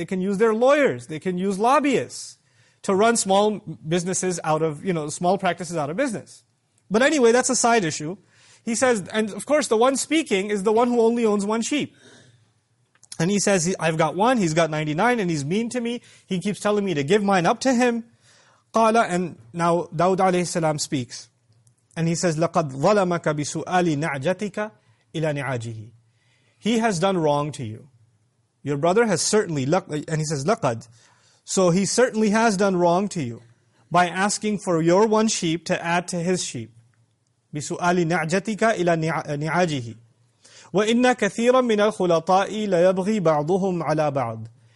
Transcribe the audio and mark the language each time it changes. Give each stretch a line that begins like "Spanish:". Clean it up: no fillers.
English: They can use their lawyers. They can use lobbyists to run small businesses out of, small practices out of business. But anyway, that's a side issue. He says, and of course the one speaking is the one who only owns one sheep. And he says, I've got one, he's got 99, and he's mean to me. He keeps telling me to give mine up to him.
Arabic: قَالَ.
English: And now Dawud alayhi salam speaks. And he says,
Arabic: لَقَدْ ظَلَمَكَ بِسُؤَالِ نَعْجَتِكَ إِلَى نِعَاجِهِ.
English: He has done wrong to you. Your brother has certainly, and he says,
Arabic: لَقَدْ.
English: So he certainly has done wrong to you by asking for your one sheep to add to his sheep.
Arabic: بِسُؤَالِ نَعْجَتِكَ إِلَى نِعَاجِهِ. وَإِنَّ كَثِيرًا مِنَ الْخُلَطَاءِ لَيَبْغِي بَعْضُهُمْ عَلَى بَعْضٍ.